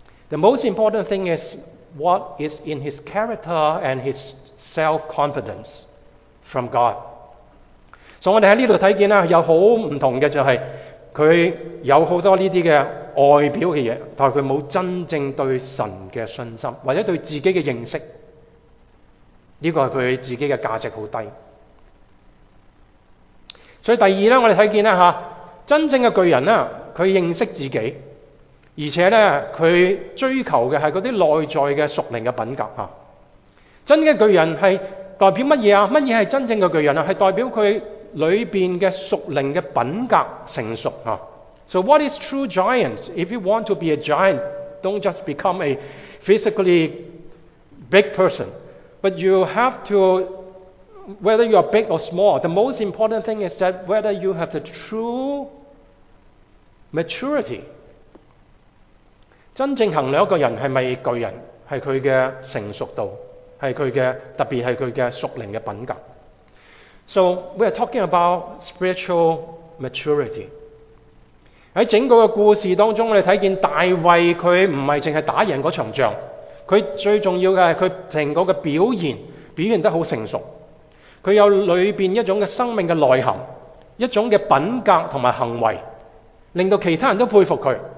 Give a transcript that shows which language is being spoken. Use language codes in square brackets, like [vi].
[en] The most important thing is what is in his character and his self-confidence from God. [zh] 所以我们在这里看见有很不同的，就是他有很多这些的外表的东西，但是他没有真正对神的信心或者对自己的认识，这个是他自己的价值很低。所以第二，我们看见真正的巨人，他认识自己，而且他追求的是那些内在的属灵的品格。真正的巨人是代表什么？什么是真正的巨人？是代表他里面的属灵的品格成熟。 [en] So what is true giant? If you want to be a giant, don't just become a physically big person. But you have to, whether you are big or small, the most important thing is that whether you have the true maturity. [zh] 真正衡量一个人是不是巨人，是他的成熟度，是他的，特别是他的属灵的品格。 [en] So we are talking about spiritual maturity. [zh] 在整个的故事当中，我们看见大卫他不是只是打赢那场仗，他最重要的是他整个的表现得很成熟，他有里面一种的生命的内涵，一种的品格和行为，令到其他人都佩服他。